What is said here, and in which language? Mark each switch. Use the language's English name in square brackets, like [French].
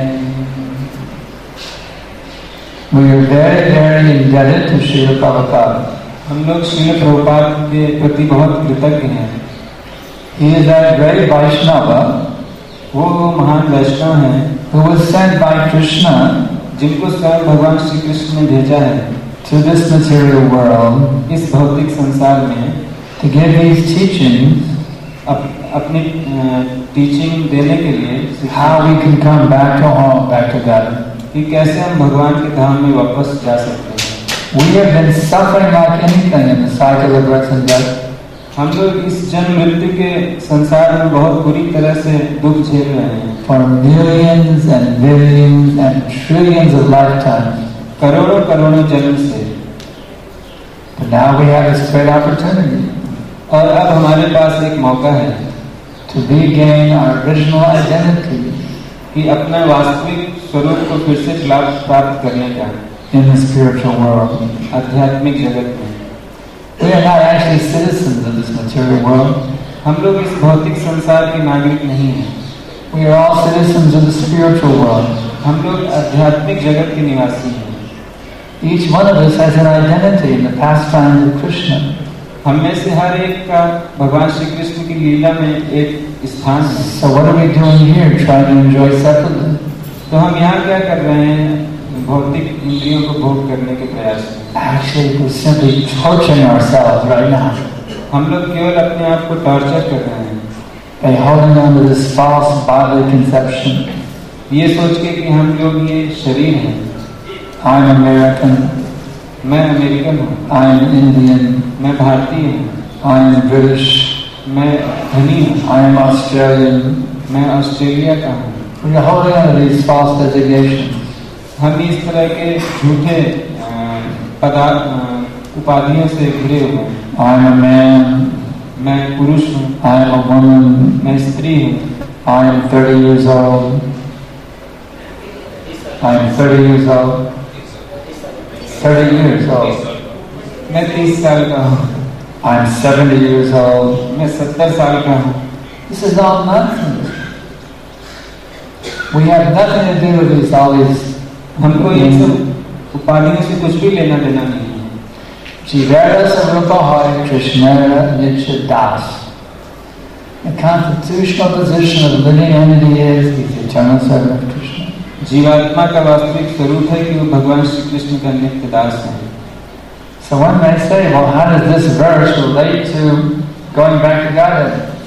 [English] We are very, very indebted to Srila Prabhupada. [Hindi] हम लोग श्रील प्रभुपाद के प्रति बहुत कृतज्ञ हैं। [English] He is a very Vaishnava. [Hindi] वो महान वैष्णव हैं। [English] Who was sent by Krishna, [Hindi] जिनको स्वयं भगवान श्री कृष्ण ने भेजा है, [English] to this material world, [Hindi] इस भौतिक संसार में, [English] to give his teachings, [Hindi] अपनी टीचिंग देने के लिए, [English] how we can come back to home, back to God, [Hindi] कि कैसे हम भगवान के धाम में वापस जा सकते हैं। [English] We have been suffering like anything in the cycle of birth and death. [Hindi] हम लोग इस जन्म मृत्यु के संसार में बहुत बुरी तरह से दुख झेल रहे हैं। [English] For millions and billions and trillions of lifetimes. [Hindi] करोड़ों करोड़ों जन्म से। [English] But now we have a spread opportunity. [Hindi] और अब हमारे पास एक मौका है। [English] To regain our original identity. [Hindi] कि अपने वास्तविक स्वरूप को फिर से लाभ प्राप्त करने का। [English] In the spiritual world, [Hindi] आध्यात्मिक जगत में, [English] we are not actually citizens of this material world. [Hindi] हम लोग इस भौतिक संसार के नागरिक नहीं हैं। [English] We are all citizens of the spiritual world. [Hindi] हम लोग आध्यात्मिक जगत के निवासी हैं। [English] Each one of us has an identity in the pastimes of Krishna. [Hindi] हम में से हर एक का भगवान श्री कृष्ण की लीला में एक स्थान है। [English] So what are we doing here, trying to enjoy separately? [Hindi] तो हम यहाँ क्या कर रहे हैं? भौतिक इंद्रियों को भोग करने के प्रयास। [English] Actually, we're simply torturing ourselves right now. [Hindi] हम लोग केवल अपने आप को टॉर्चर कर रहे हैं। [English] By holding on to this false bodily conception. [Hindi] ये सोच के कि हम लोग ये शरीर हैं। [English] I'm American. [Hindi] मैं अमेरिकन हूँ। [English] I am Indian. [Hindi] मैं भारतीय हूँ। [English] I am British. [Hindi] मैं धनी हूँ। [English] I am Australian. [Hindi] मैं ऑस्ट्रेलिया का हूँ। [English] We are holding on to these false designations. [Hindi] हम इस तरह के झूठे पदार्थ उपाधियों से घिरे हुए हैं। [English] I am a man. [Hindi] मैं पुरुष हूँ। [English] I am a woman. [Hindi] मैं स्त्री हूँ। [English] I am 30 years old. I am 30 years old. 30 years old. [Hindi] मैं 30 साल का हूँ। [English] I am 70 years old. [Hindi] मैं 70 साल का हूँ। [English] This is all nonsense. We have nothing to do with this, all this. [Hindi] हमको ये सब उपाधियों से कुछ भी लेना देना नहीं है। [Sanskrit] Jivara Sarupa Hare Krishna Nitya Das. [English] The constitutional position of the living entity is the eternal servant of Krishna. [Hindi] जीवात्मा का वास्तविक स्वरूप है कि वो भगवान श्री कृष्ण का नित्य दास है। [English] So one may say, well, how does this verse relate to going back to Godhead?